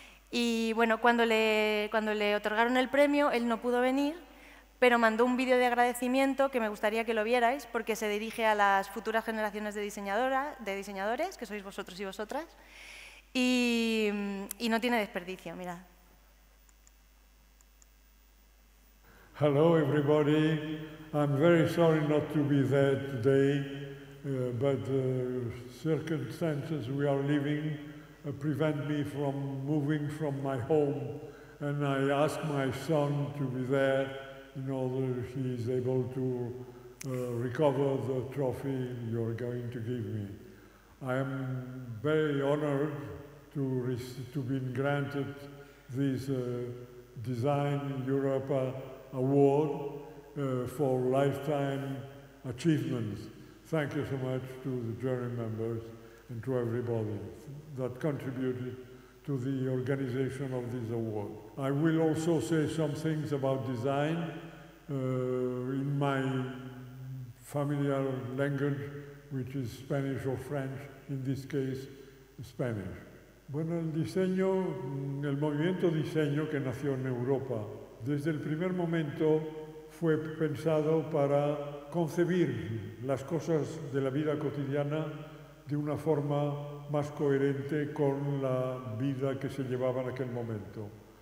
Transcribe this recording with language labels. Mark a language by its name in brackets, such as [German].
[Spanish] Y bueno, cuando le otorgaron el premio, él no pudo venir, pero mandó un vídeo de agradecimiento que me gustaría que lo vierais, porque se dirige a las futuras generaciones de diseñadores, que sois vosotros y vosotras, y no tiene desperdicio, mirad. [English] Hello everybody, I'm very sorry not to be there today, but the circumstances we are living prevent me from moving from my home, and I ask my son to be there in order he is able to recover the trophy you are going to give me. I am very honored to be granted this Design Europa Award for lifetime achievements. Thank you so much to the jury members and to everybody that contributed to the organization of this award. I will also say some things about design. In my familiar language, which is Spanish or French, in this case, Spanish. [Spanish] Bueno, el diseño, el movimiento diseño que nació en Europa, desde el primer momento fue pensado para concebir las cosas de la vida cotidiana de una forma más coherente con la vida que se llevaba en aquel momento.